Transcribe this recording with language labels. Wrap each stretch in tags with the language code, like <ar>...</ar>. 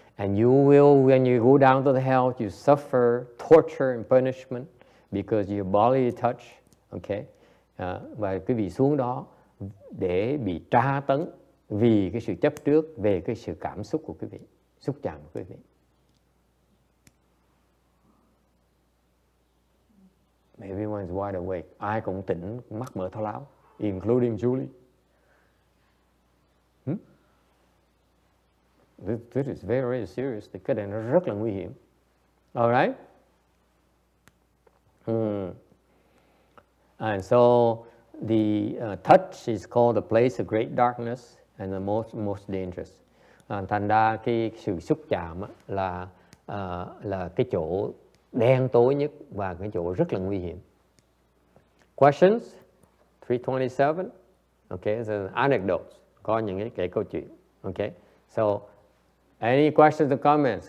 <en>And you will, when you go down to the hell, you suffer torture and punishment because your body touch. Okay.</en> <vi>Và quý vị xuống đó để bị tra tấn vì cái sự chấp trước về cái sự cảm xúc của quý vị, xúc chạm của quý vị.</vi> <en>Everyone's wide awake.</en> <vi>Ai cũng tỉnh, mắt mở thao láo,</vi> <en>including Julie. This is very, very serious.</en> <vi>Cái này nó rất là nguy hiểm.</vi> <en>All right? And so the touch is called the place of great darkness and the most dangerous.</en> <vi>Thành ra cái sự xúc chạm là cái chỗ đen tối nhất và cái chỗ rất là nguy hiểm.</vi> <en>Questions? 327. Okay, so anecdotes.</en> <vi>Có những cái câu chuyện.</vi> <en>Okay, so any questions or comments?</en>